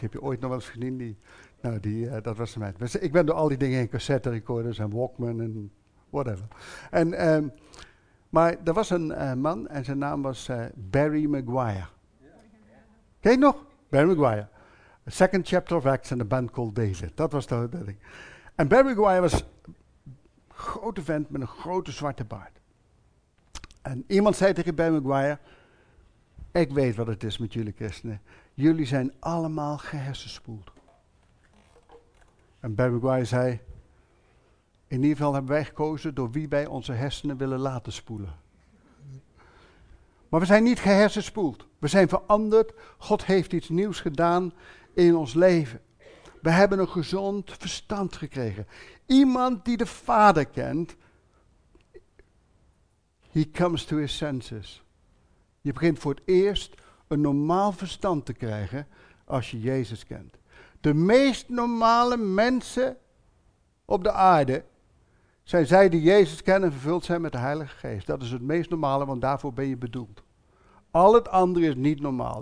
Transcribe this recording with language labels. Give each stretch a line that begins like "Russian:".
Dutch: Heb je ooit nog wel eens gezien? Dat was de meid. Ik ben door al die dingen in cassette recorders en Walkman en whatever. Maar er was een man en zijn naam was Barry Maguire. Ken je het nog? Barry Maguire.
English: A Second Chapter of Acts and a Band Called David.
Dutch: Dat was de ding. En Barry Maguire was grote vent met een grote zwarte baard. En iemand zei tegen Ben Maguire, ik weet wat het is met jullie christenen. Jullie zijn allemaal gehersenspoeld. En Ben Maguire zei, In ieder geval hebben wij gekozen door wie wij onze hersenen willen laten spoelen. Maar we zijn niet gehersenspoeld. We zijn veranderd. God heeft iets nieuws gedaan in ons leven. We hebben een gezond verstand gekregen. Iemand die de Vader kent,
English: he comes to his senses.
Dutch: Je begint voor het eerst een normaal verstand te krijgen als je Jezus kent. De meest normale mensen op de aarde zijn zij die Jezus kennen, vervuld zijn met de Heilige Geest. Dat is het meest normale, want daarvoor ben je bedoeld. Al het andere is niet normaal.